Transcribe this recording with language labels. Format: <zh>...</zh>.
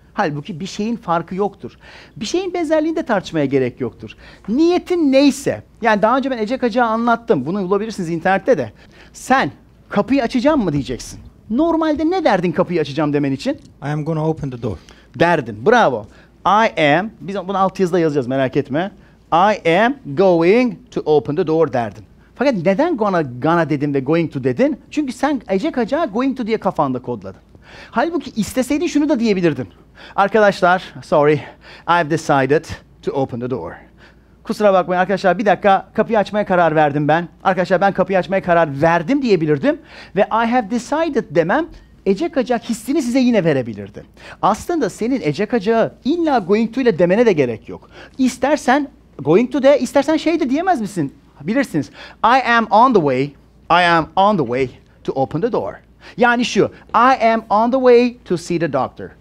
<tr>Halbuki bir şeyin farkı yoktur. Bir şeyin benzerliğini de tartışmaya gerek yoktur. Niyetin neyse, yani daha önce ben ecekacağı anlattım. Bunu bulabilirsiniz internette de. Sen kapıyı açacağım mı diyeceksin. Normalde ne derdin kapıyı açacağım demen için?</tr> <en>I am gonna open the door.</en> <tr>Derdin, bravo.</tr> <en>I am,</en> <tr>biz bunu alt yazıda yazacağız merak etme.</tr> <en>I am going to open the door</en> <tr>derdin. Fakat neden gonna dedin ve going to dedin? Çünkü sen ecekacağı going to diye kafanda kodladın. Halbuki isteseydin şunu da diyebilirdin. Arkadaşlar,</tr> <en>sorry, I've decided to open the door.</en> <tr>Kusura bakmayın arkadaşlar, bir dakika, kapıyı açmaya karar verdim ben. Arkadaşlar, ben kapıyı açmaya karar verdim diyebilirdim. Ve</tr> <en>I have decided</en> <tr>demem, ecekacak hissini size yine verebilirdi. Aslında senin ecekacağı illa going to ile demene de gerek yok. İstersen going to de, istersen şey de diyemez misin? Bilirsiniz,</tr> <en>I am on the way, I am on the way to open the door.</en> <tr>Yani şu,</tr> <en>I am on the way to see the doctor.</en>